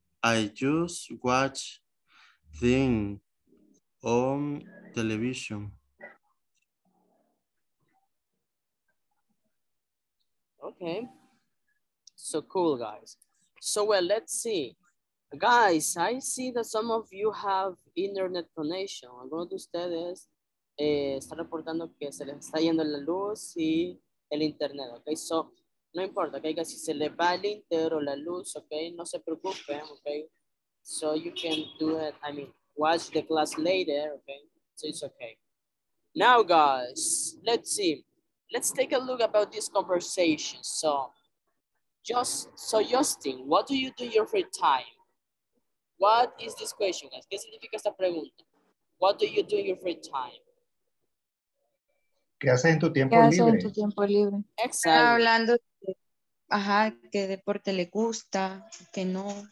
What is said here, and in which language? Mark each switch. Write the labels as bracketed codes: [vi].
[en] I just watch things on television. Okay. So cool, guys. So, well, let's see. Guys, I see that some of you have internet connection. [es] Algunos de ustedes están reportando que se les está yendo la luz y el internet, okay? So, no importa, okay? Si se les va el internet o la luz, okay? No se preocupen, okay? [en] So, you can do it, I mean, watch the class later, okay? So, it's okay. Now, guys, let's see. Let's take a look about this conversation. So, Justin, what do you do in your free time? What is this question, guys? ¿Qué significa esta pregunta? What do you do in your free time? [es] ¿Qué haces en tu tiempo libre? ¿Qué haces en tu tiempo libre? Exacto. Hablando de, ajá, qué deporte le gusta, qué no.